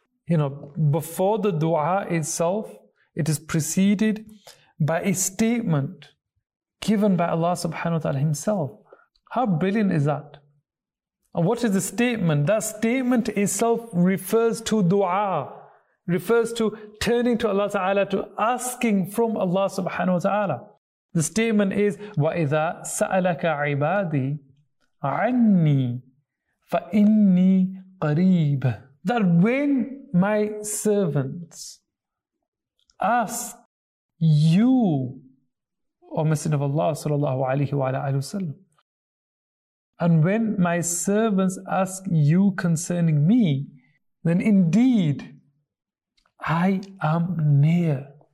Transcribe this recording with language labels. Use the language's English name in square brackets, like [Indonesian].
[English] You know, before the dua itself, it is preceded by a statement given by Allah subhanahu wa ta'ala himself. How brilliant is that? And what is the statement? That statement itself refers to dua, refers to turning to Allah Ta'ala, to asking from Allah Subhanahu Wa Ta'ala. The statement is, [Arabic] وَإِذَا سَأَلَكَ عِبَادِي عَنِّي فَإِنِّي قَرِيبٌ. [English] That when my servants ask you, O Messenger of Allah Sallallahu Alaihi Wasallam, and when my servants ask you concerning me, then indeed, I am near.